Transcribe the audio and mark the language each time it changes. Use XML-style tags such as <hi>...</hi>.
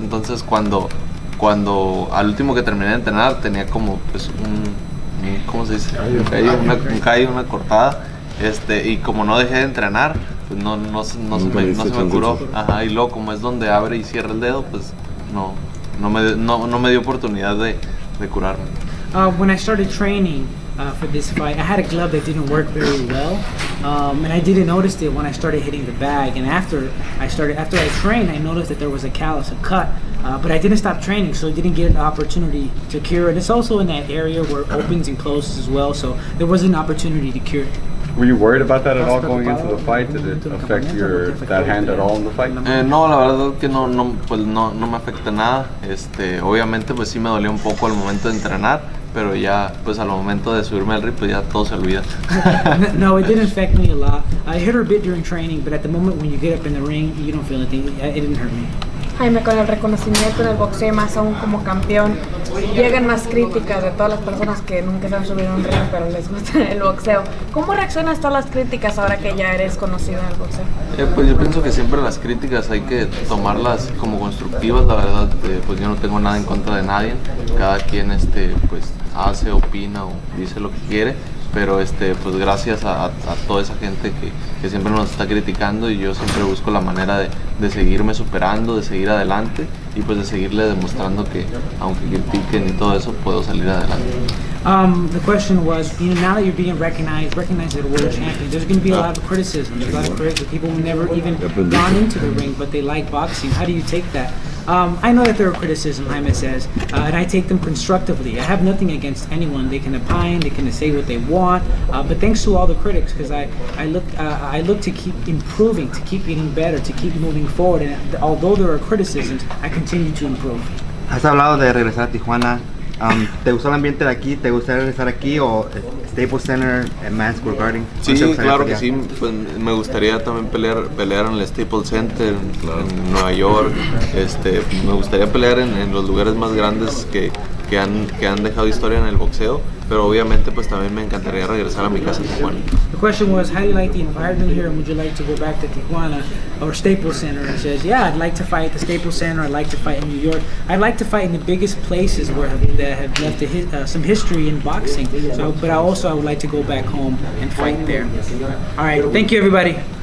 <es>Entonces cuando al último que terminé de entrenar tenía como pues una cortada, y como no dejé de entrenar, pues no se me curó. Ajá, y luego como es donde abre y cierra el dedo, pues no me dio oportunidad de curarme.</es> <en>When I started training for this fight, I had a glove that didn't work very well, and I didn't notice it when I started hitting the bag. And after I trained, I noticed that there was a callus, a cut, but I didn't stop training, so I didn't get an opportunity to cure it. It's also in that area where it opens and closes as well, so there was an opportunity to cure it. Were you worried about that at all going into the fight? Did it affect that hand at all in the fight?</en> <es>No, la verdad que no me afecta nada. Obviamente, pues sí me dolió un poco al momento de entrenar, pero ya, pues al momento de subirme al ring, pues ya todo se olvida.</es> <en>No, it didn't affect me a lot. I hit her a bit during training, but at the moment when you get up in the ring, you don't feel anything. It didn't hurt me.</en> <es>Jaime, con el reconocimiento en el boxeo, más aún como campeón, llegan más críticas de todas las personas que nunca se han subido a un ring, pero les gusta el boxeo. ¿Cómo reaccionas a todas las críticas ahora que ya eres conocido en el boxeo? Pues yo pienso que siempre las críticas hay que tomarlas como constructivas, la verdad. Pues yo no tengo nada en contra de nadie, cada quien pues hace, opina o dice lo que quiere, pero pues gracias a toda esa gente que siempre nos está criticando, y yo siempre busco la manera de seguirme superando, de seguir adelante y pues de seguirle demostrando que aunque critiquen y todo eso, puedo salir adelante.</es> <en>The question was, you know, now that you're being recognized as a world champion, there's going to be a lot of criticism. There's a lot of criticism. People who never even gone into the ring, but they like boxing. How do you take that? I know that there are criticism, Jaime says, and I take them constructively. I have nothing against anyone. They can opine, they can say what they want, but thanks to all the critics, because I look to keep improving, to keep getting better, to keep moving forward, and although there are criticisms, I continue to improve.</en> <es>Has hablado de regresar a Tijuana. ¿Te gusta el ambiente de aquí? ¿Te gustaría regresar aquí o Staples Center en Madison Square Garden? Sí, claro que sí. Pues me gustaría también pelear en el Staples Center, en Nueva York. Me gustaría pelear en los lugares más grandes que han dejado historia en el boxeo, pero obviamente pues también me encantaría regresar a mi casa en Tijuana.</es> <en>The question was, how do you like the environment here, and would you like to go back to Tijuana or Staples Center? And he says, yeah, I'd like to fight at the Staples Center, I'd like to fight in New York. I'd like to fight in the biggest places that have left some history in boxing, but I would like to go back home and fight there. All right, thank you everybody.</en>